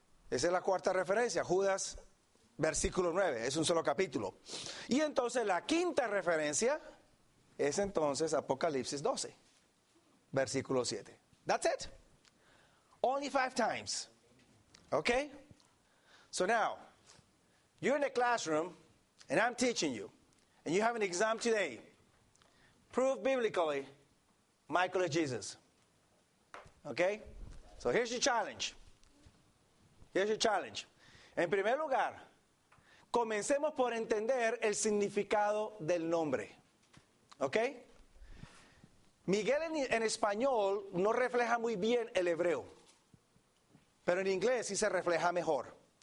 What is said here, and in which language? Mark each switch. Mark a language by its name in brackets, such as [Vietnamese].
[Spanish] Esa es la cuarta referencia, Judas, versículo 9, es un solo capítulo. Y entonces la quinta referencia es entonces Apocalipsis 12, versículo 7. [English] That's it. Only 5 times. Okay? So now, you're in the classroom, and I'm teaching you, and you have an exam today. Prove biblically, Michael is Jesus. Okay? So here's your challenge. Here's your challenge. [Spanish] En primer lugar, comencemos por entender el significado del nombre. Okay? Miguel en español no refleja muy bien el hebreo, pero en inglés sí se refleja mejor.